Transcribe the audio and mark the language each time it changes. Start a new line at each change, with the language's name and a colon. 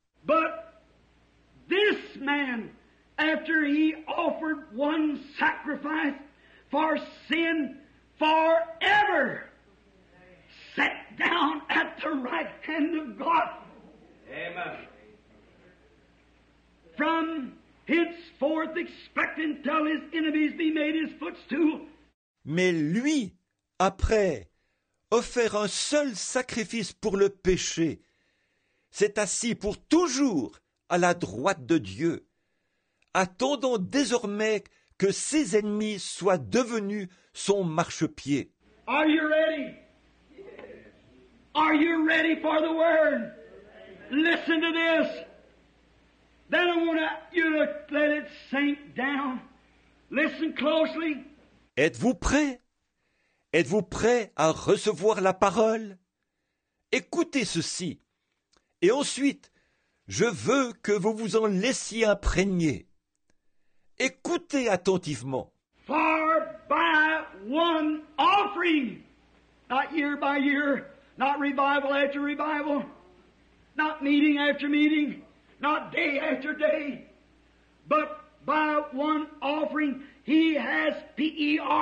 English: But this man, after he offered one sacrifice for sin forever, sat down at the right hand of God. Amen. From henceforth expectant till his enemies be made his footstool.
French: Mais lui, après, offert un seul sacrifice pour le péché, s'est assis pour toujours à la droite de Dieu, attendant désormais que ses ennemis soient devenus son marchepied.
English: Are you ready? Are you ready for the word? Listen to this. Then I want you to let it sink down. Listen closely.
French: Êtes-vous prêt? Êtes-vous prêt à recevoir la parole? Écoutez ceci. Et ensuite, je veux que vous vous en laissiez imprégner. Écoutez attentivement.
English: For by one offering, not year by year, not revival after revival, not meeting after meeting, not day after day, but by one offering, he has perfected.